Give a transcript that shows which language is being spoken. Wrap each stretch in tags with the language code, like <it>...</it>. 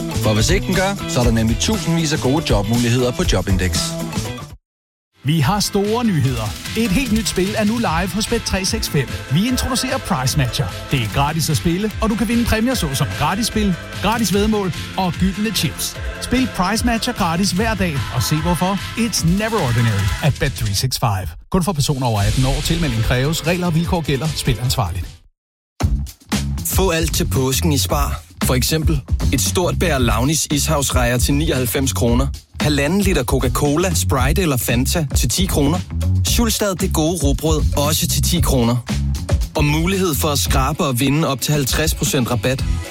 <da>For hvis ikke den gør, så er der nemlig tusindvis af gode jobmuligheder på Jobindex. Vi har store nyheder. Et helt nyt spil er nu live hos Bet365. Vi introducerer Price Matcher. Det er gratis at spille, og du kan vinde præmier såsom gratis spil, gratis væddemål og gyldne chips. Spil Price Matcher gratis hver dag og se hvorfor.</da> <en>It's never ordinary at Bet365.</en> <da>Kun for personer over 18 år. Tilmelding kræves. Regler og vilkår gælder. Spil ansvarligt. Få alt til påsken i Spar. For eksempel et stort bær Launis ishavsrejer til 99 kroner. 1,5 liter Coca-Cola, Sprite eller Fanta til 10 kroner. Schulstad det gode rugbrød også til 10 kroner. Og mulighed for at skrabe og vinde op til 50% rabat.</da>